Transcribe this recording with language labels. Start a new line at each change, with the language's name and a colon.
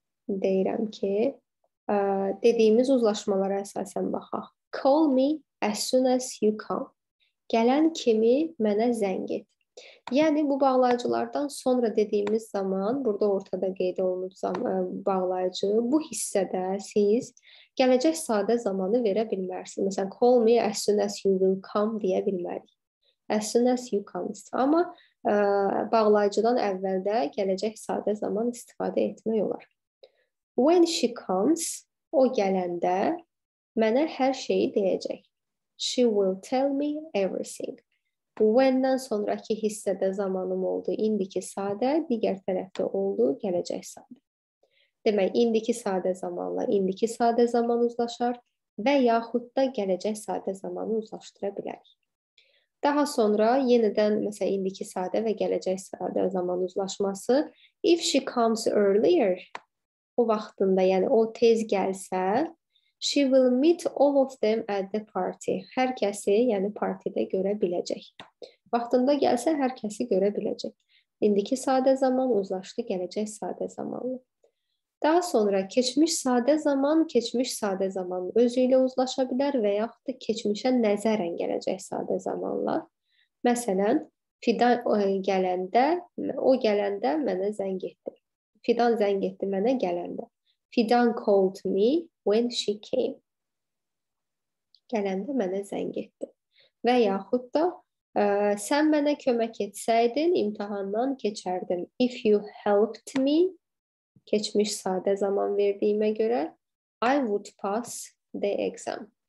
Azerbaijani: Deyirəm ki, dediyimiz uzlaşmalara əsasən baxaq.
English: Call me as soon as you come.
Azerbaijani: Gələn kimi mənə zəng et. Yəni, bu bağlayıcılardan sonra dediyimiz zaman, burada ortada qeyd olunub bağlayıcı, bu hissədə siz gələcək sadə zamanı verə bilmərsiniz.
English: Məsələn, call me as soon as you will come
Azerbaijani: deyə bilmərik.
English: As soon as you come.
Azerbaijani: Amma bağlayıcıdan əvvəldə gələcək sadə zaman istifadə etmək olar.
English: When she comes,
Azerbaijani: o gələndə mənə hər şeyi deyəcək.
English: She will tell me everything.
Azerbaijani: When-dən sonraki hissədə zamanım oldu indiki sadə, digər tərəfdə oldu gələcək sadə. Demək, indiki sadə zamanla indiki sadə zaman uzlaşar və yaxud da gələcək sadə zamanı uzlaşdıra bilər. Daha sonra yenidən, məsələn, indiki sadə və gələcək sadə zaman uzlaşması,
English: if she comes earlier,
Azerbaijani: o vaxtında, yəni o tez gəlsə,
English: she will meet all of them at the party.
Azerbaijani: Hər kəsi, yəni partidə görə biləcək. Vaxtında gəlsə, hər kəsi görə biləcək. İndiki sadə zaman uzlaşdı, gələcək sadə zamanı. Daha sonra keçmiş sadə zaman, keçmiş sadə zaman özü ilə uzlaşa bilər və yaxud da keçmişə nəzərən gələcək sadə zamanla. Məsələn, Fidan gələndə, o gələndə mənə zəng etdi. Fidan zəng etdi mənə gələndə.
English: Fidan called me when she came.
Azerbaijani: Gələndə mənə zəng etdi. Və yaxud da sən mənə kömək etsəydin, imtahandan keçərdim.
English: If you helped me,
Azerbaijani: keçmiş sadə zaman verdiyimə görə,
English: I would pass the exam.